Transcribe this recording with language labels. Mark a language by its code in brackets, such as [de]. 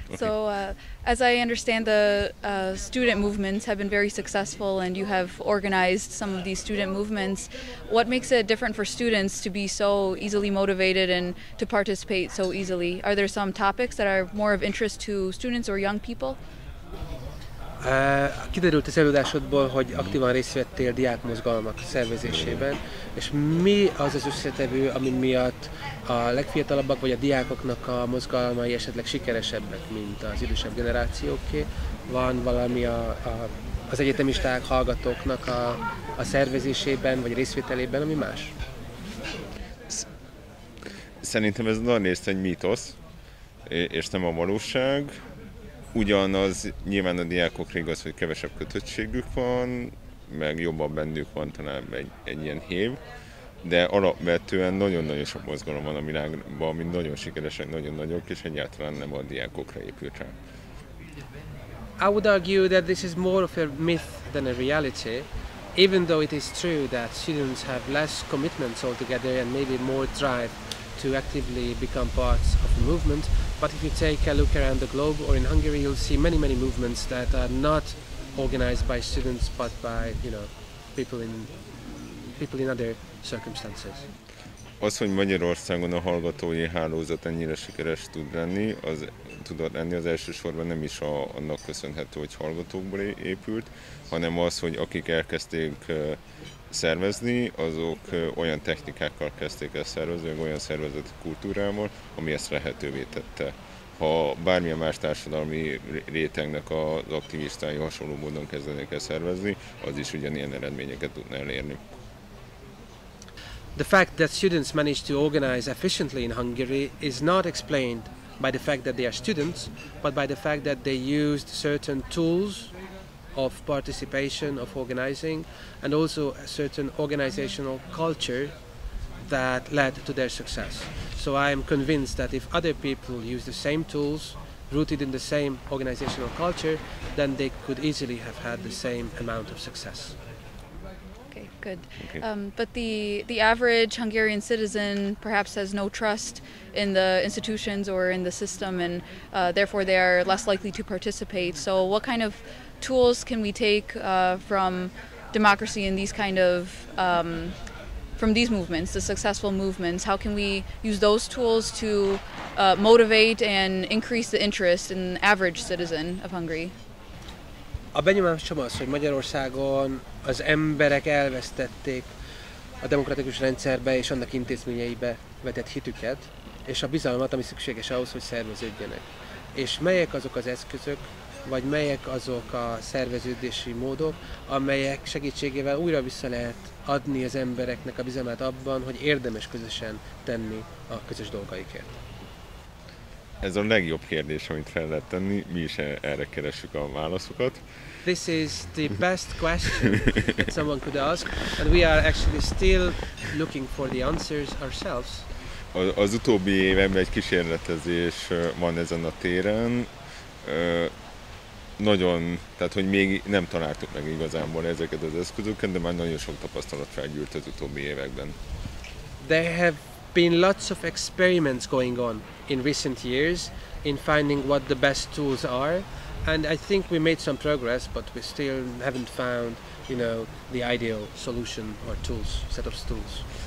[en] So, as I understand, the student movements have been very successful, and you have organized some of these student movements. What makes it different for students to be so easily motivated and to participate so easily? Are there some topics that are more of interest to students or young people? [hu] Kiderült az előadásodból, hogy aktívan részt vettél diákmozgalmak szervezésében, és mi az az összetevő, ami miatt a legfiatalabbak vagy a diákoknak a mozgalmai esetleg sikeresebbek, mint az idősebb generációké? Van valami az egyetemisták, hallgatóknak a szervezésében vagy részvételében, ami más? Szerintem ez nagyon részt egy mítosz, és nem a valóság. Ugyanaz nyilván a diákokra igaz, hogy kevesebb kötöttségük van, meg jobban bennük van talán egy ilyen hév, de alapvetően nagyon-nagyon sok mozgalom van a világban, ami nagyon sikeresek, nagyon nagyok, és egyáltalán nem a diákokra épült rá. [en] I would argue that this is more of a myth than a reality, even though it is true that students have less commitments altogether and maybe more drive to actively become part of the movement. But if you take a look around the globe or in Hungary, you'll see many, many movements that are not organized by students but by, you know, people in other circumstances. [hu] Az, hogy Magyarországon a hallgatói hálózat ennyire sikeres tudott lenni, az elsősorban nem is annak köszönhető, hogy hallgatókból épült, hanem az, hogy akik elkezdték szervezni, azok olyan technikákkal kezdték el szervezni, olyan szervezeti kultúrával, ami ezt lehetővé tette. Ha bármilyen más társadalmi rétegnek az aktivistái hasonló módon kezdenek el szervezni, az is ugyanilyen eredményeket tudna elérni. [en] The fact that students manage to organize efficiently in Hungary is not explained by the fact that they are students, but by the fact that they used certain tools of participation, of organizing, and also a certain organizational culture that led to their success. So I am convinced that if other people use the same tools, rooted in the same organizational culture, then they could easily have had the same amount of success. Good. Okay. But the average Hungarian citizen perhaps has no trust in the institutions or in the system, and therefore they are less likely to participate. So what kind of tools can we take from democracy and these kind of, from these movements, the successful movements, how can we use those tools to motivate and increase the interest in the average citizen of Hungary? [hu] A benyomásom az, hogy Magyarországon az emberek elvesztették a demokratikus rendszerbe és annak intézményeibe vetett hitüket, és a bizalmat, ami szükséges ahhoz, hogy szerveződjenek. És melyek azok az eszközök, vagy melyek azok a szerveződési módok, amelyek segítségével újra vissza lehet adni az embereknek a bizalmát abban, hogy érdemes közösen tenni a közös dolgaikért. Ez a legjobb kérdés, amit fel lehet tenni, mi is erre keresünk a válaszokat. [en] This is the best question that someone could ask, and we are actually still looking for the answers ourselves. [hu] Az utóbbi években egy kísérletezés van ezen a téren. Nagyon, tehát hogy még nem találtuk meg igazából ezeket az eszközöket, de már nagyon sok tapasztalat felgyűlt az utóbbi években. [en] They have been lots of experiments going on in recent years in finding what the best tools are, and I think we made some progress, but we still haven't found, you know, the ideal solution or tools, set of tools.